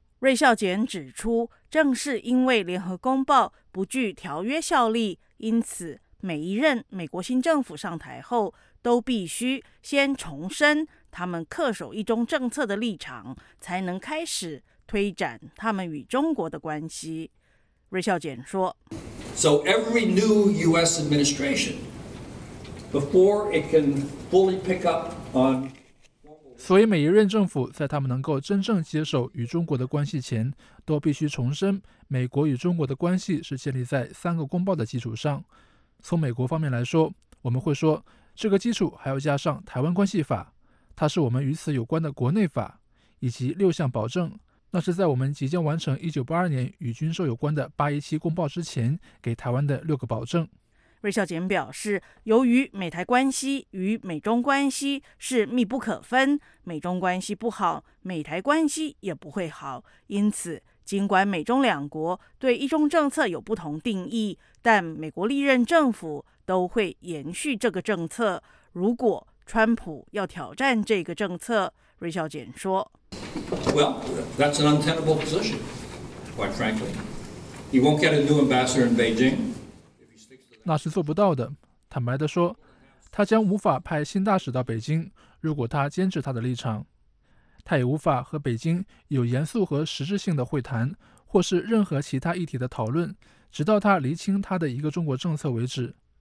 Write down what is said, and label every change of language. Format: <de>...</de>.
<zh>芮孝俭指出，正是因为联合公报不具条约效力，因此每一任美国新政府上台后都必须先重申他们恪守一中政策的立场，才能开始推展他们与中国的关系。芮孝俭说，</zh> <en>So every new US administration, before it can fully pick up on...</en> <zh>所以每一任政府在他们能够真正接受与中国的关系前，都必须重申美国与中国的关系是建立在三个公报的基础上。从美国方面来说，我们会说这个基础还要加上台湾关系法，它是我们与此有关的国内法，以及六项保证，那是在我们即将完成1982年与军售有关的817公报之前给台湾的六个保证。芮孝俭表示，由于美台关系与美中关系是密不可分，美中关系不好，美台关系也不会好。因此，尽管美中两国对一中政策有不同定义，但美国历任政府都会延续这个政策。如果川普要挑战这个政策，芮孝俭说</zh> <en>：“Well, that's an untenable position. Quite frankly, you won't get a new ambassador in Beijing.”</en> <zh>那是做不到的。坦白地说，他将无法派新大使到北京，如果他坚持他的立场。他也无法和北京有严肃和实质性的会谈，或是任何其他议题的讨论，直到他厘清他的一个中国政策为止。</zh>